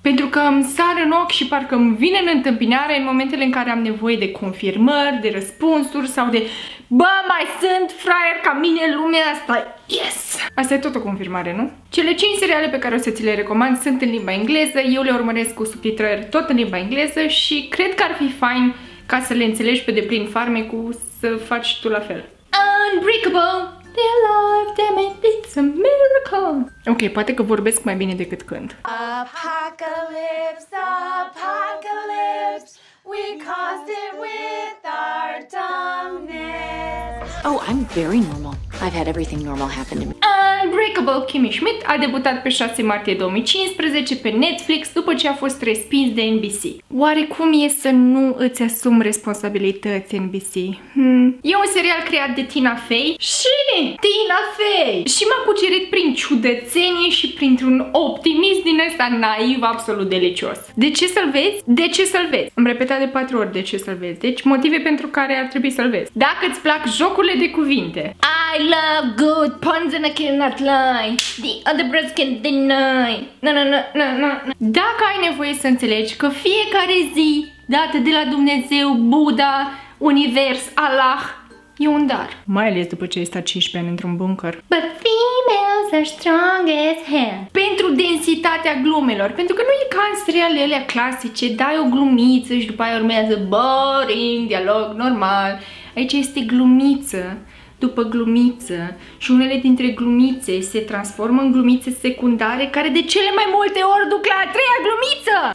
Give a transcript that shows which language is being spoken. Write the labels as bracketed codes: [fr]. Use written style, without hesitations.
[ro] Pentru că îmi sar în ochi și parcă îmi vine în întâmpinare în momentele în care am nevoie de confirmări, de răspunsuri sau de bă, mai sunt fraier ca mine în lumea asta, yes! Asta e tot o confirmare, nu? Cele 5 seriale pe care o să ți le recomand sunt în limba engleză, eu le urmăresc cu subtitrări tot în limba engleză și cred că ar fi fain ca să le înțelegi pe deplin farmecul să faci tu la fel. [en] Unbreakable! They're alive, damn it, it's a miracle! [ro] Ok, poate că vorbesc mai bine decât cânt. [en] Apocalypse, apocalypse, we caused it with our dumbness. Oh, I'm very normal. I've had everything normal happen to me. [ro] Unbreakable Kimmy Schmidt a debutat pe 6 martie 2015 pe Netflix după ce a fost respins de NBC. Oare cum e să nu îți asumi responsabilități, NBC? E un serial creat de Tina Fey și Tina Fey! Și m-a cucerit prin ciudățenie și printr-un optimism din ăsta naiv absolut delicios. De ce să-l vezi? De ce să-l vezi? Am repetat de 4 ori de ce să-l vezi. Deci motive pentru care ar trebui să-l vezi. Dacă îți plac jocurile de cuvinte. [en] I love good puns and I cannot lie. The other brothers can deny. No. [ro] Dacă ai nevoie să înțelegi că fiecare zi dată de la Dumnezeu, Buddha, Univers, Allah, e un dar. Mai ales după ce ai stat 15 ani într-un bunker. [en] But females are strong as hell. [ro] Pentru densitatea glumelor. Pentru că nu e ca în serialele alea clasice, dai o glumiță și după aia urmează boring, dialog normal. Aici este glumiță după glumiță și unele dintre glumițe se transformă în glumițe secundare care de cele mai multe ori duc la a treia glumiță!